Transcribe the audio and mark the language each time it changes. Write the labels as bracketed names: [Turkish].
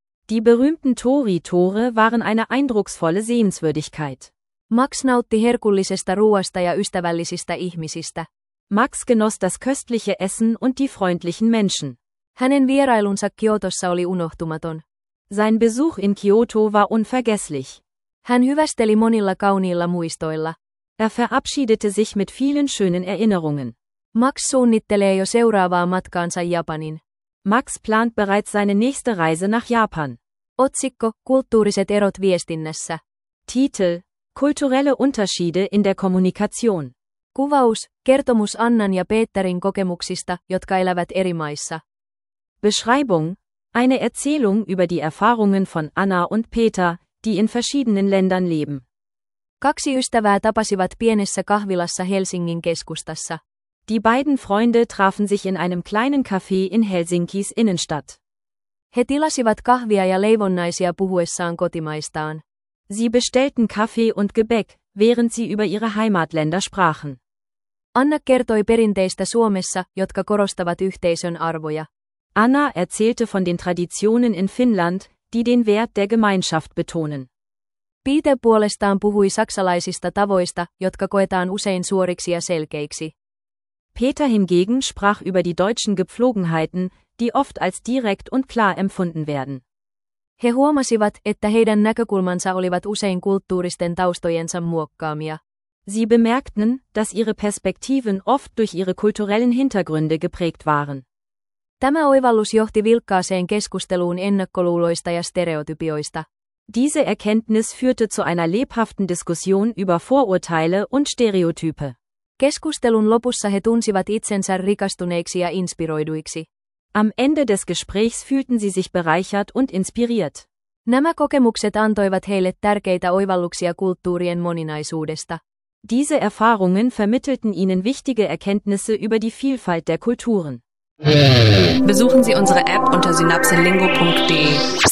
[German] Die berühmten Tori-Tore waren eine eindrucksvolle Sehenswürdigkeit. [Finnish] Max nautti herkullisesta ruoasta ja ystävällisistä ihmisistä. [German] Max genoss das köstliche Essen und die freundlichen Menschen. [Finnish] Hänen vierailunsa Kiotossa oli unohtumaton. [German] Sein Besuch in Kyoto war unvergesslich. [Finnish] Hän hyvästeli monilla kauniilla muistoilla. [German] Er verabschiedete sich mit vielen schönen Erinnerungen. [Finnish] Max suunnittelee jo seuraavaa matkaansa Japanin. [German] Max plant bereits seine nächste Reise nach Japan. [Finnish] Otsikko, kulttuuriset erot viestinnässä. [German] Titel, kulturelle Unterschiede in der Kommunikation. [Finnish] Kuvaus, kertomus Annan ja Peterin kokemuksista, jotka elävät eri maissa. [German] Beschreibung, eine Erzählung über die Erfahrungen von Anna und Peter, die in verschiedenen Ländern leben. [Finnish] Kaksi ystävää tapasivat pienessä kahvilassa Helsingin keskustassa. [German] Die beiden Freunde trafen sich in einem kleinen Café in Helsinkis Innenstadt. [Finnish] He tilasivat kahvia ja leivonnaisia puhuessaan kotimaistaan. [German] Sie bestellten Kaffee und Gebäck, während sie über ihre Heimatländer sprachen. [Finnish] Anna kertoi perinteistä Suomessa, jotka korostavat yhteisön arvoja. [German] Anna erzählte von den Traditionen in Finnland, die den Wert der Gemeinschaft betonen. [Finnish] Peter puolestaan puhui saksalaisista tavoista, jotka koetaan usein suoriksi ja selkeiksi. [German] Peter hingegen sprach über die deutschen Gepflogenheiten, die oft als direkt und klar empfunden werden. [Finnish] He huomasivat, että heidän näkökulmansa olivat usein kulttuuristen taustojensa muokkaamia. [German] Sie bemerkten, dass ihre Perspektiven oft durch ihre kulturellen Hintergründe geprägt waren. [Finnish] Tämä oivallus johti vilkkaaseen keskusteluun ennakkoluuloista ja stereotypioista. [German] Diese Erkenntnis führte zu einer lebhaften Diskussion über Vorurteile und Stereotype. [Finnish] Keskustelun lopussa he tunsivat itsensä rikastuneiksi ja inspiroiduiksi. [German] Am Ende des Gesprächs fühlten sie sich bereichert und inspiriert. [Finnish] Nämä kokemukset antoivat heille tärkeitä oivalluksia kulttuurien moninaisuudesta. [German] Diese Erfahrungen vermittelten ihnen wichtige Erkenntnisse über die Vielfalt der Kulturen. Besuchen Sie unsere App unter synapsenlingo.de.